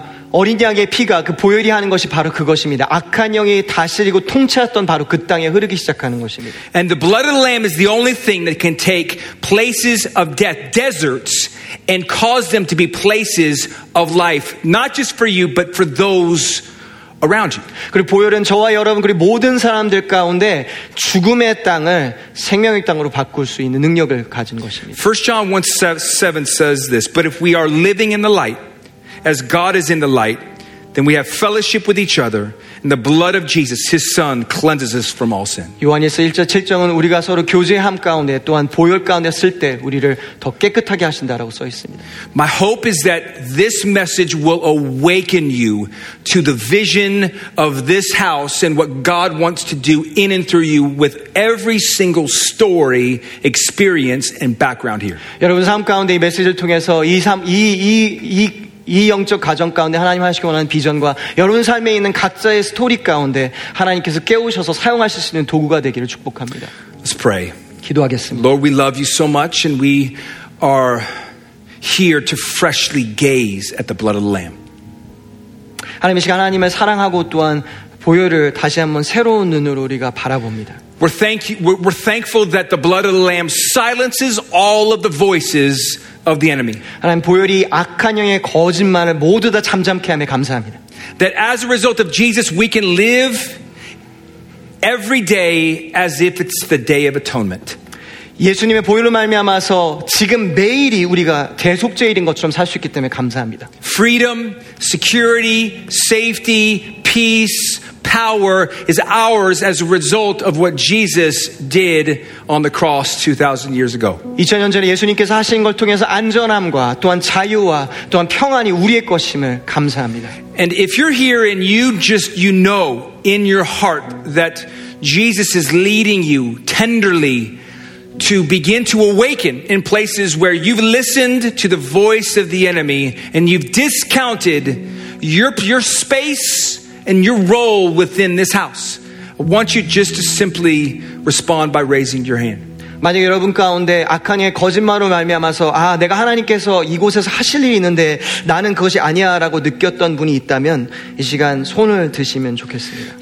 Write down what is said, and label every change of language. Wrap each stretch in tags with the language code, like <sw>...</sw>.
<ko>어린 양의 피가 그 보혈이 하는 것이 바로 그것입니다. 악한 영이 다스리고 통치했던 바로 그 땅에 흐르기 시작하는 것입니다.</ko> <en>And the blood of the lamb is the only thing that can take places of death, deserts, and cause them to be places of life, not just for you, but for those around you.</en> <ko>그리고 보혈은 저와 여러분 그리고 모든 사람들 가운데 죽음의 땅을 생명의 땅으로 바꿀 수 있는 능력을 가진 것입니다.</ko> <en>1 John 1:7 says this, but if we are living in the light, as God is in the light, then we have fellowship with each other, and the blood of Jesus, His Son, cleanses us from all sin.</en> <ko>요한에서 1절 7절은 우리가 서로 교제함 가운데 또한 보혈 가운데 쓸 때 우리를 더 깨끗하게 하신다라고 써 있습니다.</ko> <en>My hope is that this message will awaken you to the vision of this house and what God wants to do in and through you with every single story, experience, and background here.</en> <ko>여러분 삶 가운데 이 메시지를 통해서 이 영적 가정 가운데 하나님 하시기 원하는 비전과 여러분 삶에 있는 각자의 스토리 가운데 하나님께서 깨우셔서 사용하실 수 있는 도구가 되기를 축복합니다.</ko> <en>Let's pray.</en> <ko>기도하겠습니다.</ko> <en>Lord, we love you so much and we are here to freshly gaze at the blood of the Lamb.</en> <ko>하나님의 시간 하나님을 사랑하고 또한 보혈을 다시 한번 새로운 눈으로 우리가 바라봅니다.</ko> <en>We're thankful that the blood of the Lamb silences all of the voices of the enemy.</en> <ko>하나님 보혈이 악한 영의 거짓말을 모두 다 잠잠케 함에 감사합니다.</ko> <en>That as a result of Jesus, we can live every day as if it's the day of atonement.</en> <ko>예수님의 보혈로 말미암아서 지금 매일이 우리가 대속죄일인 것처럼 살 수 있기 때문에 감사합니다.</ko> <en>Freedom, security, safety, peace. Power is ours as a result of what Jesus did on the cross 2,000 years ago.</en> <ko>2,000년 전에 예수님께서 하신 걸 통해서 안전함과 또한 자유와 또한 평안이 우리의 것임을 감사합니다.</ko> <en>And if you're here and you know in your heart that Jesus is leading you tenderly to begin to awaken in places where you've listened to the voice of the enemy and you've discounted your space. And your role within this house. I want you just to simply respond by raising your hand.</en> <ko>만약 여러분 가운데 악한 영의 거짓말로 말미암아서 아 내가 하나님께서 이곳에서 하실 일이 있는데 나는 그것이 아니야라고 느꼈던 분이 있다면 이 시간 손을 드시면 좋겠습니다.</ko>